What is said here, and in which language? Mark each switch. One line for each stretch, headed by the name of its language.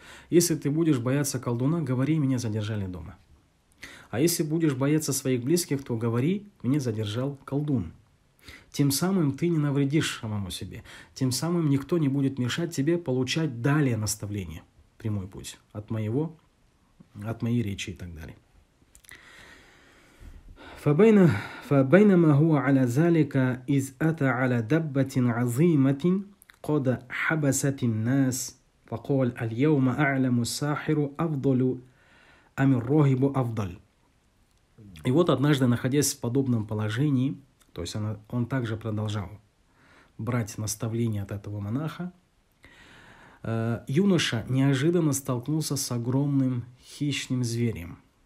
Russian: Если ты будешь бояться колдуна, говори, меня задержали дома. А если будешь бояться своих близких, то говори, меня задержал колдун. Тем самым ты не навредишь самому себе. Тем самым никто не будет мешать тебе получать далее наставление, прямой путь от моего, от моей речи и так далее.
Arabic: فبينما هو على ذلك إذ أتى على دبة عظيمة قد حبست الناس فقال اليوم أعلم الساحر أفضل амир-рохибу афдаль.
Russian: И вот однажды, находясь в подобном положении, то есть он также продолжал брать наставления от этого монаха, юноша неожиданно столкнулся с огромным хищным зверем.